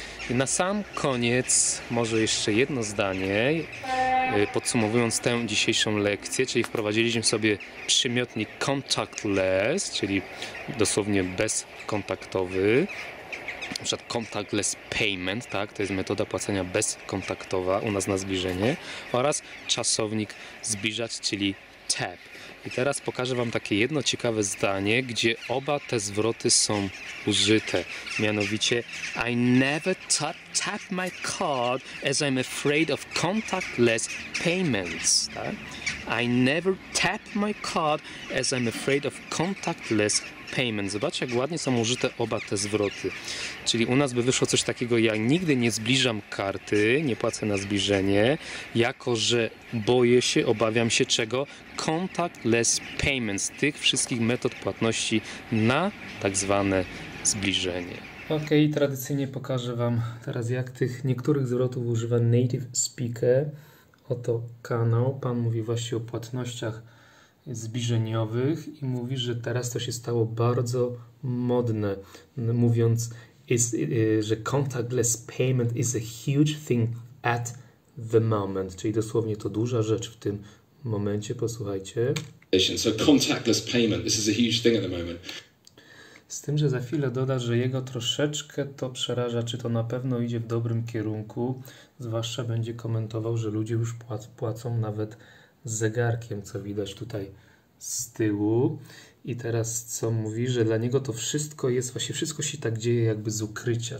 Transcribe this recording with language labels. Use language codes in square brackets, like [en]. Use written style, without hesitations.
[pl] I na sam koniec może jeszcze jedno zdanie, podsumowując tę dzisiejszą lekcję, czyli wprowadziliśmy sobie przymiotnik contactless, czyli dosłownie bezkontaktowy. Na przykład contactless payment, tak, to jest metoda płacenia bezkontaktowa u nas na zbliżenie, oraz czasownik zbliżać, czyli tap. I teraz pokażę wam takie jedno ciekawe zdanie, gdzie oba te zwroty są użyte. Mianowicie, [en] I never tap my card as I'm afraid of contactless payments. [pl] Tak? [en] I never tap my card as I'm afraid of contactless payments. [pl] Zobaczcie, jak ładnie są użyte oba te zwroty. Czyli u nas by wyszło coś takiego, ja nigdy nie zbliżam karty, nie płacę na zbliżenie, jako że boję się, obawiam się czego? Contactless payments, tych wszystkich metod płatności na tak zwane zbliżenie. Okej, okay, tradycyjnie pokażę wam teraz, jak tych niektórych zwrotów używa native speaker. Oto kanał, pan mówi właśnie o płatnościach zbliżeniowych i mówi, że teraz to się stało bardzo modne, mówiąc, że [en] contactless payment is a huge thing at the moment, [pl] czyli dosłownie to duża rzecz w tym momencie, posłuchajcie. [en] So contactless payment, this is a huge thing at the moment. [pl] Z tym, że za chwilę doda, że jego troszeczkę to przeraża, czy to na pewno idzie w dobrym kierunku, zwłaszcza będzie komentował, że ludzie już płacą nawet zegarkiem, co widać tutaj z tyłu. I teraz co mówi, że dla niego to wszystko jest, właśnie wszystko się tak dzieje jakby z ukrycia.